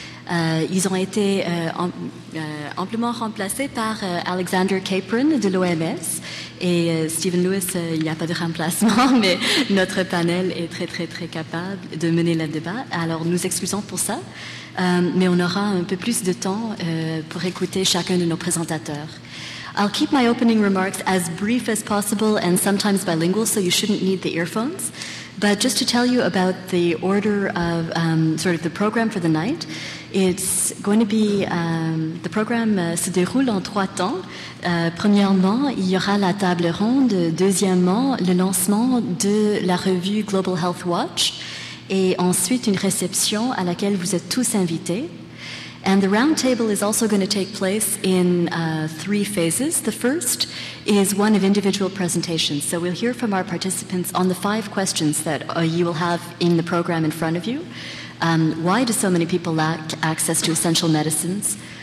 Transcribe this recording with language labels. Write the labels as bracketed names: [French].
[French] Ils ont été amplement remplacés par Alexander Capron de l'OMS. Et Stephen Lewis, il n'y a pas de remplacement, mais notre panel est très, très, très capable de mener le débat. Alors, nous excusons pour ça, mais on aura un peu plus de temps pour écouter chacun de nos présentateurs. [English] I'll keep my opening remarks as brief as possible and sometimes bilingual, so you shouldn't need the earphones. But just to tell you about the order of sort of the program for the night, it's going to be, the program [French] se déroule en trois temps. Premièrement, il y aura la table ronde. Deuxièmement, le lancement de la revue Global Health Watch. Et ensuite, une réception à laquelle vous êtes tous invités. [English] And the roundtable is also going to take place in three phases. The first is one of individual presentations. So we'll hear from our participants on the five questions that you will have in the program in front of you. Why do so many people lack access to essential medicines?